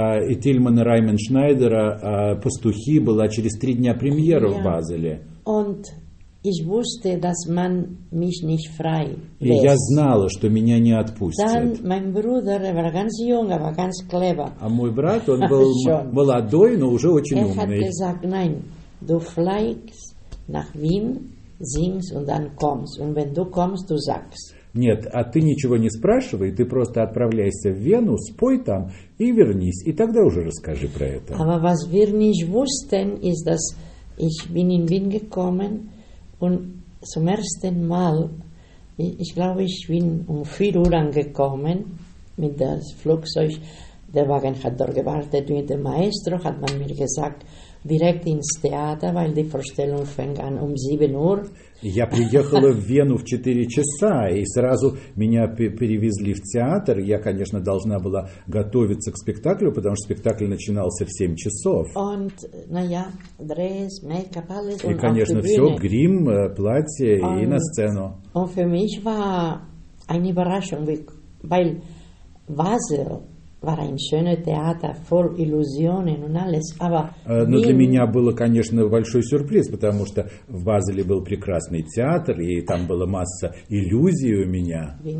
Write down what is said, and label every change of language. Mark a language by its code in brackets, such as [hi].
[ru] И Тильмана Раймана Шнайдера «Пастухи» была через 3 дня премьера в Базеле. [de] Und ich wusste, dass man mich nicht frei lässt. [ru] И я знала, что меня не отпустят. [de] Dann mein Bruder, er war ganz jung, aber ganz clever. [ru] А мой брат, он был молодой, но уже очень умный. [de] Er hat gesagt, nein, du fliegst nach Wien, singst und dann kommst. Und wenn du kommst, du sagst. [ru] Нет, а ты ничего не спрашивай, ты просто отправляйся в Вену, спой там и вернись. И тогда уже расскажи про это. [de] Aber was wir nicht wussten, ist, dass ich bin in Wien gekommen. Und zum ersten Mal, ich glaube, ich bin 4 Uhr angekommen mit dem Flugzeug. Der Wagen hat dort gewartet mit dem Maestro, hat man mir gesagt. direkt ins Theater, weil die Vorstellung fängt an um 7 Uhr. [ru] Я приехала в Вену в 4 часа, и сразу меня перевезли в театр. Я, конечно, должна была готовиться к спектаклю, потому что спектакль начинался в 7 часов. [de] Und, na ja, [en] dress, makeup, [de] alles, [ru] и, конечно, все, грим, платье und, и на сцену. [de] Und für mich war eine Überraschung, weil Wasser war ein schöner Theater, voll Illusionen und alles, aber [ru] Но для меня было, конечно, большой сюрприз, потому что в Базеле был прекрасный театр, и там была масса иллюзий у меня.